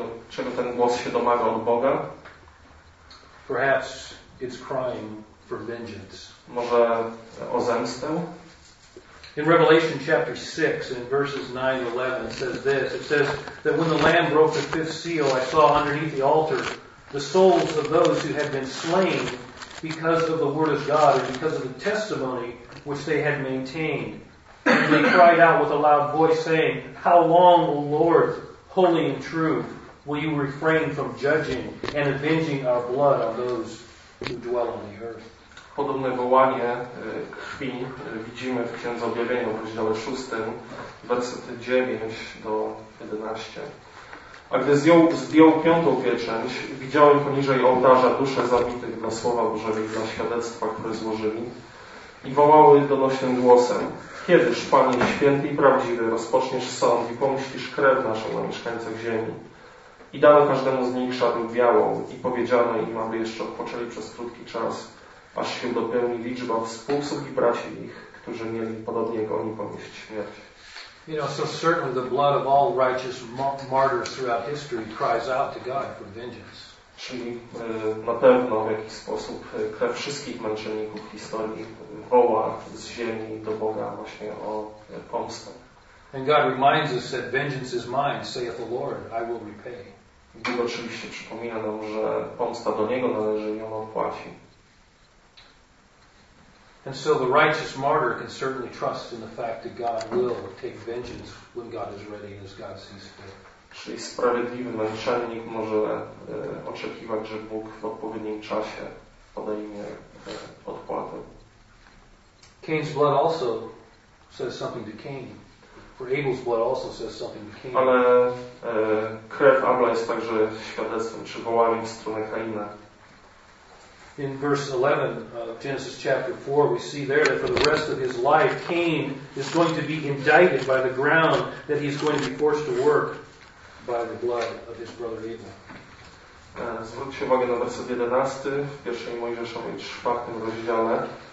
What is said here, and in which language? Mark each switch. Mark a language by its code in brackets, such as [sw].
[pl] Czego ten głos się domaga od Boga? [en] Perhaps it's crying for vengeance. [pl] Może o zemstę? [en] In Revelation chapter 6, in verses 9-11, it says this. It says that when the Lamb broke the fifth seal, I saw underneath the altar the souls of those who had been slain because of the word of God and because of the testimony which they had maintained. And they cried out with a loud voice, saying, how long, O Lord, holy and true, will you refrain from judging and avenging our blood on those who dwell on the earth? [pl] Podobne wołanie krwi widzimy w Księdze Objawienia w rozdziale 6, wersety 9-11. A gdy zdjął piątą pieczęć, widziałem poniżej ołtarza dusze zabitych dla słowa Bożego i dla świadectwa, które złożyli, i wołały donośnym głosem: kiedyż, Panie święty i prawdziwy, rozpoczniesz sąd i pomścisz krew naszą na mieszkańcach ziemi? I dano każdemu z nich szatę białą i powiedziano im, aby jeszcze odpoczęli przez krótki czas, aż się dopełni liczba współsług i braci ich, którzy mieli podobnie jak oni ponieść śmierć. [en] You know, so certainly the blood of all righteous martyrs throughout history cries out to God for vengeance. [pl] Czyli na pewno w jakiś sposób krew wszystkich męczenników historii woła z ziemi do Boga właśnie o pomstę. [en] And God reminds us that vengeance is mine, saith the Lord, I will repay. [pl] Bóg oczywiście przypomina nam, że pomsta do Niego należy i On odpłaci. [en] And so the righteous martyr can certainly trust in the fact that God will take vengeance when God is ready and as God sees fit. [pl] Czyli sprawiedliwy męczennik może oczekiwać, że Bóg w odpowiednim czasie podejmie odpłatę. [en] Cain's blood also says something to Cain. For Abel's blood also says something to Cain. [pl] Ale krew Abla jest także świadectwem, przywołaniem w stronę Kaina. [en] In verse 11 of Genesis chapter 4, we see there that for the rest of his life, Cain is going to be indicted by the ground that he is going to be forced to work by the blood of his brother Abel. [pl] Zwróćcie uwagę na werset 11 w pierwszej Mojżeszowej 4 rozdziale.